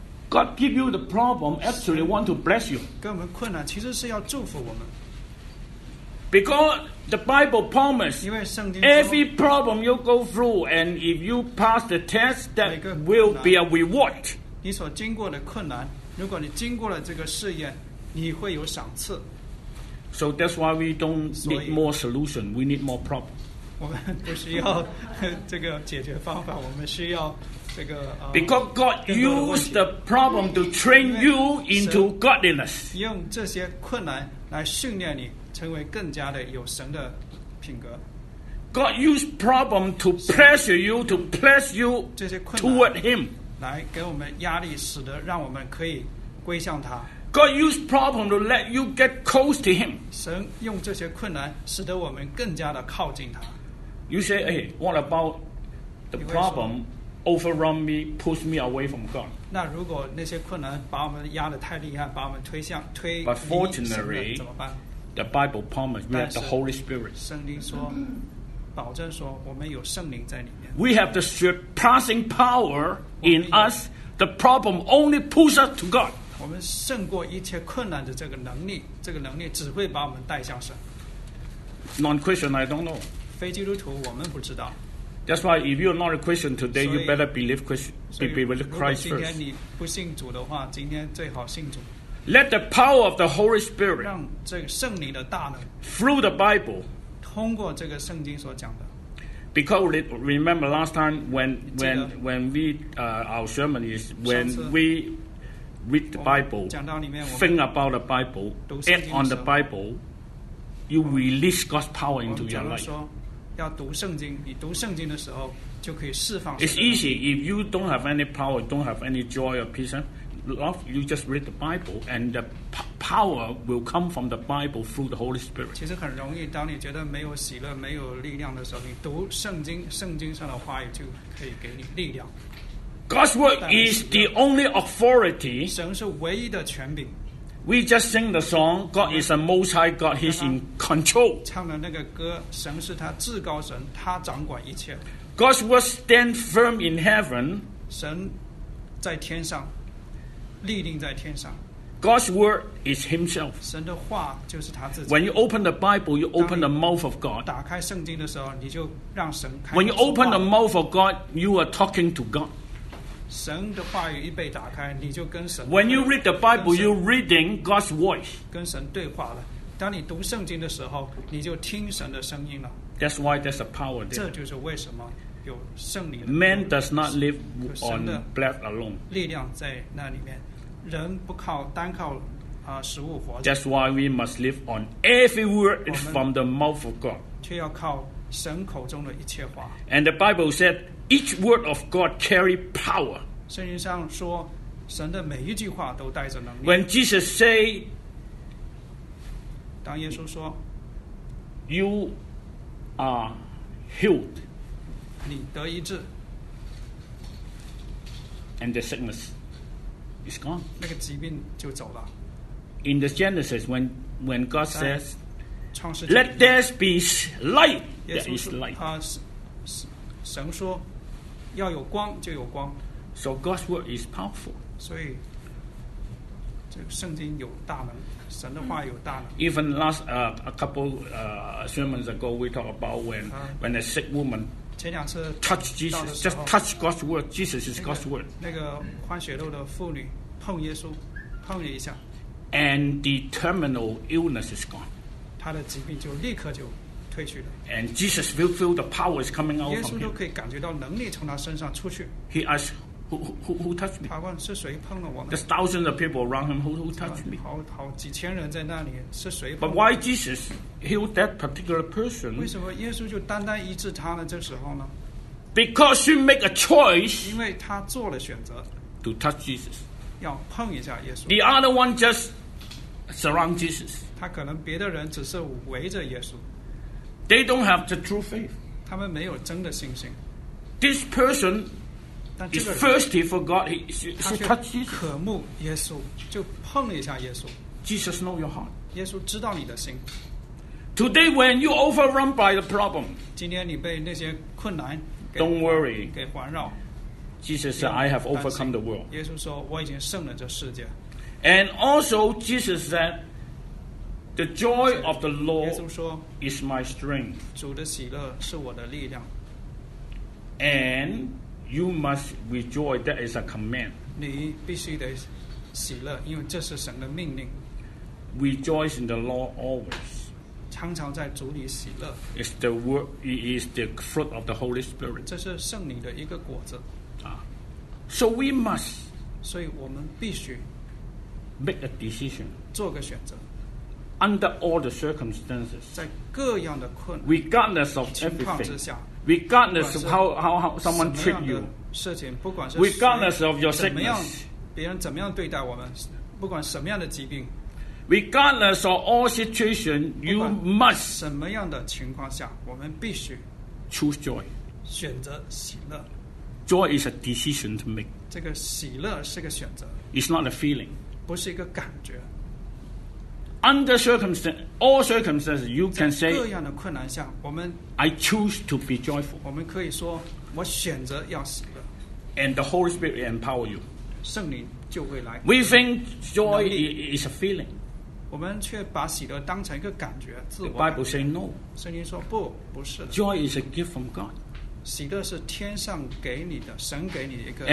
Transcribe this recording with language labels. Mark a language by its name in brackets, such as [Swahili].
[English] God give you the problem actually want to bless you. [Chinese] 给我们困难其实是要祝福我们 [English] Because the Bible promises every problem you go through and if you pass the test that will be a reward. [Chinese] 你所经过的困难如果你经过了这个试验你会有赏赐。 [English] So that's why we don't need more solution. We need more problem. [Chinese] 我们不需要这个解决方法，我们需要这个。 [English] Because God used the problem to train you into godliness. [Chinese] 用这些困难来训练你，成为更加的有神的品格。 [English] God used problem to pressure you to press you toward Him. [Chinese] 来给我们压力，使得让我们可以归向他。 [English] God used problem to let you get close to Him. [Chinese] 神用这些困难使得我们更加的靠近他。 [English] You say, "Hey, what about the problem overrun me, push me away from God?" [Chinese] 那如果那些困难把我们压得太厉害，把我们推向推离神了，怎么办？ [English] But fortunately, the Bible promised we have the Holy Spirit. [Chinese] 圣灵说，保证说我们有圣灵在里面。 [English] We have the surpassing power in us. The problem only pushes us to God. [Chinese] 我们胜过一切困难的这个能力，这个能力只会把我们带向神。 [English] Non-Christian, I don't know. [Chinese] 非基督徒，我们不知道。 [English] That's why if you're not a Christian today, you better believe Christ, be with Christ first. [Chinese] 如果今天你不信主的话，今天最好信主。 [English] Let the power of the Holy Spirit, [Chinese] 让这个圣灵的大能 [English] through the Bible, [Chinese] 通过这个圣经所讲的。 [English] Because remember last time when we our sermon is when we. Read the Bible, think about the Bible, act on the Bible, you release God's power into your life. [Chinese] 要读圣经，你读圣经的时候就可以释放。 [English] It's easy if you don't have any power, don't have any joy or peace and love, you just read the Bible, and the power will come from the Bible through the Holy Spirit. [Chinese] 其实很容易，当你觉得没有喜乐、没有力量的时候，你读圣经，圣经上的话语就可以给你力量。 [English] God's word is the only authority. [Chinese] 神是唯一的权柄。 [English] We just sing the song. God is a Most High God. He's in control. [Chinese] 唱的那个歌，神是他至高神，他掌管一切。 [English] God's word stands firm in heaven. [Chinese] 神在天上，立定在天上。 [English] God's word is Himself. [Chinese] 神的话就是他自己。 [English] When you open the Bible, you open the mouth of God. [Chinese] 打开圣经的时候，你就让神开。 [English] When you open the mouth of God, you are talking to God. [Chinese] 神的话语一被打开，你就跟神。 [English] When you read the Bible, you're reading God's voice. [Chinese] 跟神对话了。当你读圣经的时候，你就听神的声音了。 [English] That's why there's a power there. [Chinese] 这就是为什么有圣灵的。 [English] Man does not live on bread alone. [Chinese] 力量在那里面，人不靠单靠啊食物活着。 [English] That's why we must live on every word from the mouth of God. [Chinese] 却要靠神口中的一切话。 [English] And the Bible said each word of God carry power. [Chinese] 圣经上说，神的每一句话都带着能力。 [English] When Jesus say, [Chinese] 当耶稣说 [English] ，You are healed. [Chinese] 你得医治。 [English] And the sickness is gone. [Chinese] 那个疾病就走了。 [English] In the Genesis, when God says, Let there be light, there is light. [Chinese] 神说要有光就有光。 [English] So God's word is powerful. [Chinese] 所以这个圣经有大能，神的话有大能。 [English] Even last a couple sermons ago, we talked about when a sick woman touched Jesus, just touched God's word. Jesus is God's word. [Chinese] 那个患血漏的妇女碰耶稣，碰了一下。 [English] And the terminal illness is gone. [Chinese] 他的疾病就立刻就退去了。 [English] And Jesus will feel the power is coming out. [Chinese] 耶稣都可以感觉到能力从他身上出去。 [English] He asked. Who touched me? [Chinese] 他问是谁碰了我们 [English] ？There's thousands of people around him. Who touched me? [Chinese] 好几千人在那里，是谁 [English] ？But why Jesus healed that particular person? [Chinese] 为什么耶稣就单单医治他呢？这时候呢 [English] ？Because he made a choice. [Chinese] 因为他做了选择。 [English] To touch Jesus. [Chinese] 要碰一下耶稣。 [English] The other one just surround Jesus. [Chinese] 他可能别的人只是围着耶稣。 [English] They don't have the true faith. [Chinese] 他们没有真的信心。 [English] This person. He's thirsty for God. He touched Jesus. [Chinese] 渴慕耶稣，就碰了一下耶稣。 [English] Jesus knows your heart. [Chinese] 耶稣知道你的心。 [English] Today, when you overrun by the problem, [Chinese] 今天你被那些困难 [English] don't worry. [Chinese] 给环绕。 [English] Jesus said, "I have overcome the world." [Chinese] 耶稣说，我已经胜了这世界。 [English] And also, Jesus said, "The joy of the Lord [Chinese] 耶稣说, [English] is my strength." [Chinese] 主的喜乐是我的力量。 [English] And You must rejoice. That is a command. [Chinese] 你必须得喜乐，因为这是神的命令。 [English] Rejoice in the Lord always. [Chinese] 常常在主里喜乐。 [English] It's the word. It is the fruit of the Holy Spirit. [Chinese] 这是圣灵的一个果子。 [English] So we must. [Chinese] 所以我们必须 [English] make a decision. [Chinese] 做个选择。 [English] Under all the circumstances. [Chinese] 在各样的困难。 [English] Regardless of everything. Regardless of how someone treat you, [Chinese] 事情不管是 [English] regardless of your sickness, [Chinese] 怎么样别人怎么样对待我们，不管什么样的疾病 [English] regardless of all situation, you must [Chinese] 什么样的情况下，我们必须 [English] choose joy, [Chinese] 选择喜乐 [English] Joy is a decision to make. [Chinese] 这个喜乐是个选择 [English] It's not a feeling. [Chinese] 不是一个感觉 [English] Under circumstance. All circumstances, you can say, [Chinese] 在各样的困难下，我们 [English] I choose to be joyful. [Chinese] 我们可以说，我选择要喜乐。 [English] And the Holy Spirit empower you. [Chinese] 圣灵就会来。 [English] We think joy is a feeling. [Chinese] 我们却把喜乐当成一个感觉，自我。 [English] The Bible say no. [Chinese] 圣经说不，不是。 [English] Joy is a gift from God. [Chinese] 喜乐是天上给你的，神给你的一个。